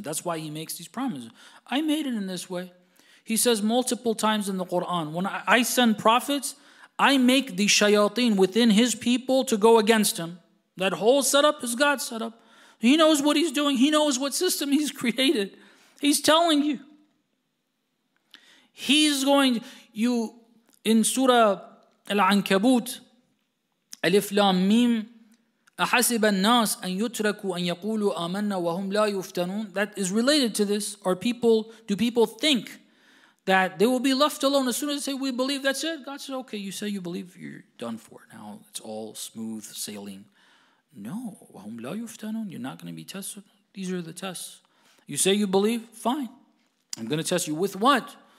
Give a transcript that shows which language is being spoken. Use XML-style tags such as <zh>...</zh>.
<en>That's why He makes these promises. I made it in this way. He says multiple times in the Quran, when I send prophets, I make the shayateen within His people to go against Him. That whole setup is God's setup. He knows what He's doing. He knows what system He's created. He's telling you. He's going, you, in Surah Al-Ankabut, Alif Lam Mim,</en> <ar>أَحَسِبَ النَّاسِ أَن يُتْرَكُوا أَن يَقُولُوا آمَنَّا وَهُمْ لَا يُفْتَنُونَ.</ar> <en>That is related to this. Are people, do people think that they will be left alone as soon as they say, we believe, that's it? God says, okay, you say you believe, you're done for. Now it's all smooth sailing. No,</en> <ar>وَهُمْ لَا يُفْتَنُونَ,</ar> <en>you're not going to be tested. These are the tests. You say you believe, fine. I'm going to test you with what?</en>